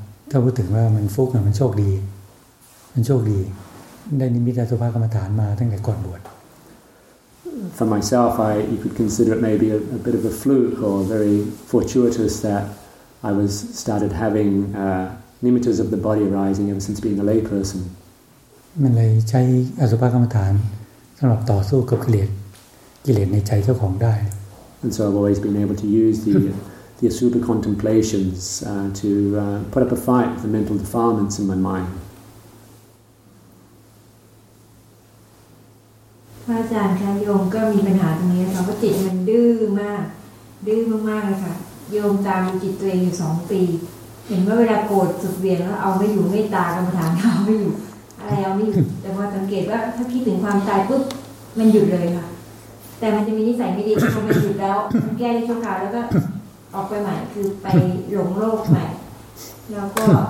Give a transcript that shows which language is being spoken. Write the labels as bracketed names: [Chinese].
[Thai] ถ้าพูดถึงว่ามันฟุกมันโชคดีมันโชคดีได้นิมิตสุภกรรมฐานมาตั้งแต่ก่อนบวช [English] For myself, you could consider it maybe a bit of a fluke or very fortuitous that I was started having nimittas of the body arising ever since being a lay person. [Thai] มันเลยใช้อสุภกรรมฐานสำหรับต่อสู้กับกิเลสในใจเจ้าของได้ [English] And so I've always been able to use the asupa contemplations put up a fight with the mental defilements in my mind. [Thai] พระอาจารย์คะโยมก็มีปัญหาตรงนี้ค่ะเพราะจิตมันดื้อมากเลยค่ะโยมตามจิตตัวเองอยู่2ปีเห็นว่าเวลาโกรธสุดเวียนแล้วเอาไม่อยู่ไม่ตากรรมฐานเอาไม่อยู่อะไรเอาไม่อยู่แต่พอสังเกตว่าถ้าคิดถึงความตายปุ๊บมันหยุดเลยค่ะแต่มันจะมีนิสัยไม่ดีพอมันหยุดแล้วมันแก้ได้ชั่วคราวแล้วก็ออกไปใหม่คือไปหลงโลกใหม่แล้วก็